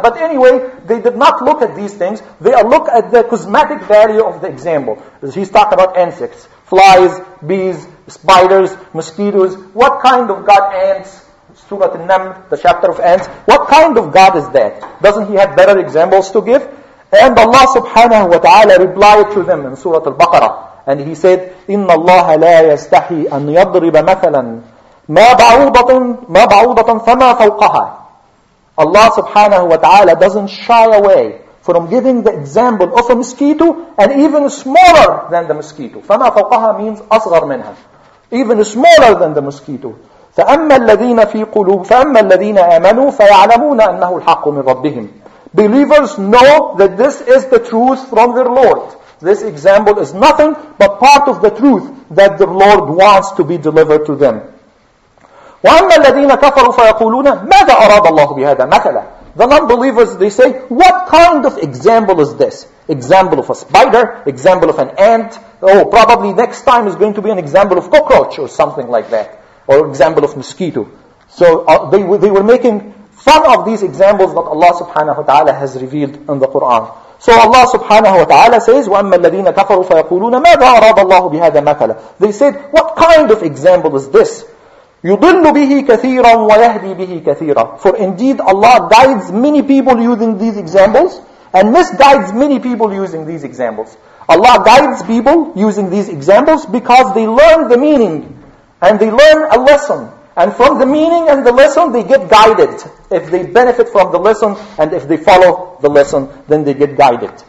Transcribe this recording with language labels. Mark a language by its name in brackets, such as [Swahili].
[English] But anyway, they did not look at these things. They look at the cosmetic value of the example. He's talking about insects, flies, bees, spiders, mosquitoes. What kind of God, ants? Surah An-Naml, the chapter of ants. What kind of God is that? Doesn't he have better examples to give? And Allah subhanahu wa ta'ala replied to them in Surah Al-Baqarah. And he said, [Arabic] إِنَّ اللَّهَ لَا يَسْتَحِي أَن يَضْرِبَ مَثَلًا مَا بَعُوضَةً فَمَا فَوْقَهَا. [English] Allah subhanahu wa ta'ala doesn't shy away from giving the example of a mosquito and even smaller than the mosquito. [Arabic] فَمَا فَوْقَهَا [English] means [Arabic] أَصْغَر مِنْهَا. [English] Even smaller than the mosquito. [Arabic] فَأَمَّا الَّذِينَ فِي قُلُوبِ فَأَمَّا الَّذِينَ آمَنُوا فَيَعْلَمُونَ أَنَّهُ الْحَقُّ مِنْ رَبِّهِمْ. [English] Believers know that this is the truth from their Lord. This example is nothing but part of the truth that the Lord wants to be delivered to them. [Arabic] وَأَمَّا الَّذِينَ كَفَرُوا فَيَقُولُونَ مَاذَا أَرَادَ اللَّهُ بِهَذَا مَثَلًا. [English] The non-believers, they say, what kind of example is this? Example of a spider, example of an ant. Oh, probably next time is going to be an example of cockroach or something like that. Or example of mosquito. So they were making fun of these examples that Allah subhanahu wa ta'ala has revealed in the Quran. So Allah subhanahu wa ta'ala says, [Arabic] وَأَمَّا الَّذِينَ كَفَرُوا فَيَقُولُونَ مَاذَا أَرَادَ اللَّهُ بِهَذَا مَثَلًا. [English] They said, what kind of example is this? [Arabic] يُضِلُّ بِهِ كَثِيرًا وَيَهْدِي بِهِ كَثِيرًا. [English] For indeed Allah guides many people using these examples and misguides many people using these examples. Allah guides people using these examples because they learn the meaning and they learn a lesson. And from the meaning and the lesson, they get guided. If they benefit from the lesson and if they follow the lesson, then they get guided.